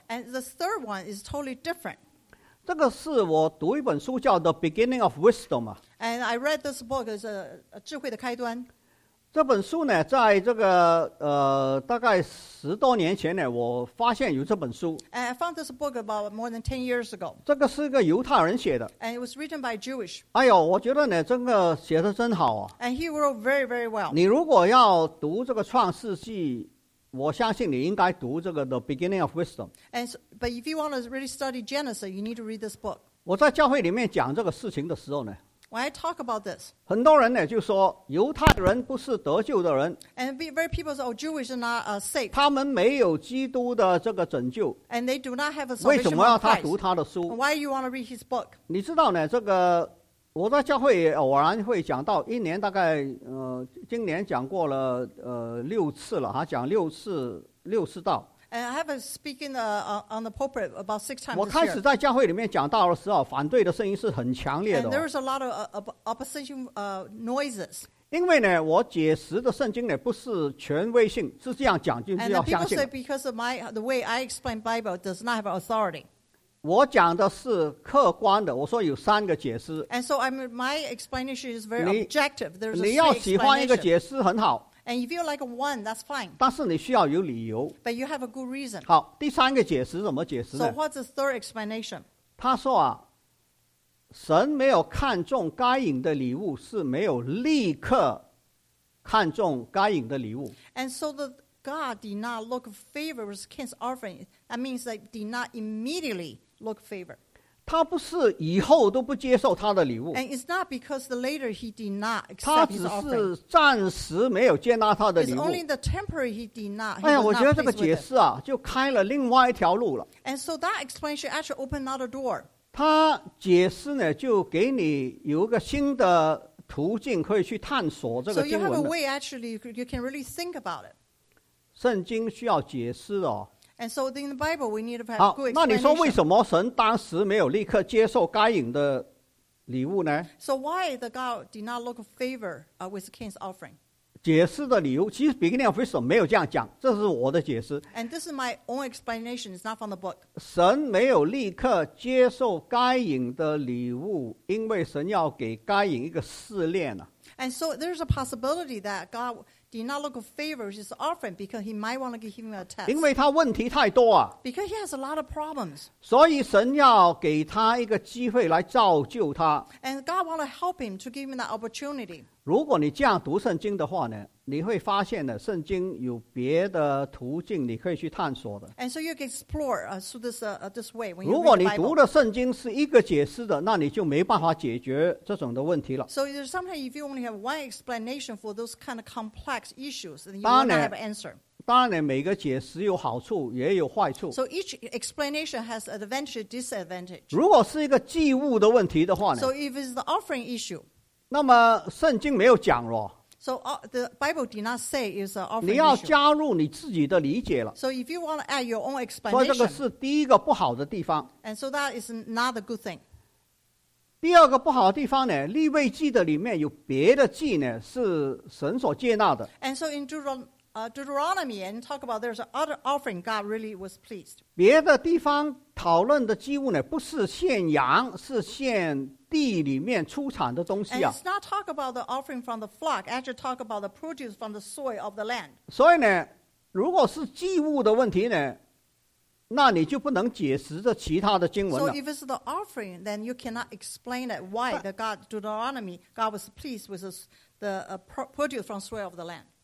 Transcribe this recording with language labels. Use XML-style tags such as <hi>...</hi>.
<en>And the third one is totally different.</en> <zh>这个是我读一本书叫《The Beginning of Wisdom》啊。</zh> <en>And I read this book as a 智慧的开端。</en> <zh>这本书呢，在这个大概十多年前呢，我发现有这本书。</zh> <en>And I found this book about more than 10 years ago.</en> <zh>这个是一个犹太人写的。</zh> <en>And it was written by Jewish.</en> <zh>哎呦，我觉得呢，这个写的真好啊。</zh> <en>And he wrote very, very well.</en> <zh>你如果要读这个《创世纪》，我相信你应该读这个《The Beginning of Wisdom》。</zh> <en>And so, but if you want to really study Genesis, you need to read this book.</en> <zh>我在教会里面讲这个事情的时候呢。</zh> <en>When I talk about this,</en> <zh>很多人呢就说犹太人不是得救的人。</zh> <en>And very people say, oh, Jewish are not saved.</en> <zh>他们没有基督的这个拯救。</zh> <en>And they do not have a salvation.</en> <zh>为什么要他读他的书？</zh> <en>Why you want to read his book?</en> <zh>你知道呢，这个我在教会偶然会讲到，一年大概今年讲过了六次了，还讲六次道。</zh> <en>And I have been speaking on the pulpit about 6 times this year.</en> <zh>我开始在教会里面讲道的时候，反对的声音是很强烈的。</zh> <en>And there was a lot of opposition noises.</en> <zh>因为呢，我解释的圣经呢不是权威性，是这样讲就是要相信。</zh> <en>And people say because of the way I explain Bible does not have authority.</en> <zh>我讲的是客观的，我说有三个解释。</zh> <en>And so my explanation is very objective. There's a</en> <zh>你要喜欢一个解释很好。</zh> <en>And if you like one, that's fine.</en> <zh>但是你需要有理由。</zh> <en>But you have a good reason.</en> <zh>好，第三个解释怎么解释呢？</zh> <en>So what's the third explanation?</en> <zh>他说啊，神没有看中该隐的礼物，是没有立刻看中该隐的礼物。</zh> <en>And so the God did not look favor with Cain's offering. That means that did not immediately look favor.</en> <zh>他不是以后都不接受他的礼物。</zh> <en>And it's not because the later he did not accept his offering.</en> <zh>他只是暂时没有接纳他的礼物。</zh> <en>It's only the temporary he did not.</en> <zh>哎呀，我觉得这个解释啊，就开了另外一条路了。</zh> <en>And so that explanation actually opened another door.</en> <zh>他解释呢，就给你有一个新的途径可以去探索这个经文。</zh> <en>So you have a way actually you can really think about it.</en> <zh>圣经需要解释哦。</zh> <en>And so in the Bible, we need to have good explanation.</en> <zh>好，那你说为什么神当时没有立刻接受该隐的礼物呢？</zh> <en>So why the God did not look favor with Cain's offering?</en> <zh>解释的理由，其实 Beginning of Wisdom 没有这样讲，这是我的解释。</zh> <en>And this is my own explanation, it's not from the book.</en> <zh>神没有立刻接受该隐的礼物，因为神要给该隐一个试炼啊。</zh> <en>And so there's a possibility that God... did not look favor his offering because he might want to give him a test.</en> <zh>因为他问题太多啊。</zh> <en>Because he has a lot of problems.</en> <zh>所以神要给他一个机会来造就他。</zh> <en>And God want to help him to give him that opportunity.</en> <zh>如果你这样读圣经的话呢，你会发现的，圣经有别的途径，你可以去探索的。</zh> <en>And so you can explore this way.</en> <zh>如果你读的圣经是一个解释的，那你就没办法解决这种的问题了。</zh> <en>So sometimes if you only have one explanation for those kind of complex issues, then you will not have an answer.</en> <zh>当然，每个解释有好处，也有坏处。</zh> <en>So each explanation has advantage and disadvantage.</en> <zh>如果是一个祭物的问题的话呢</zh> <en>？So if it's the offering issue.</en> <zh>那么圣经没有讲咯。</zh> <en>So the Bible did not say it's an offering issue.</en> <zh>你要加入你自己的理解了。</zh> <en>So if you want to add your own explanation.</en> <zh>所以这个是第一个不好的地方。</zh> <en>And so that is not a good thing.</en> <zh>第二个不好的地方呢，立位记的里面有别的记呢，是神所接纳的。</zh> <en>And so in Deuteronomy, and talk about there's other offering God really was pleased.</en> <zh>别的地方讨论的祭物呢，不是献羊，是献地里面出产的东西啊。</zh> <en>And it's not talk about the offering from the flock, actually talk about the produce from the soil of the land.</en> <zh>所以呢，如果是祭物的问题呢，那你就不能解释这其他的经文了。</zh> <en>So if it's the offering, then you cannot explain that why the God Deuteronomy God was pleased with the produce from soil of the land.</en>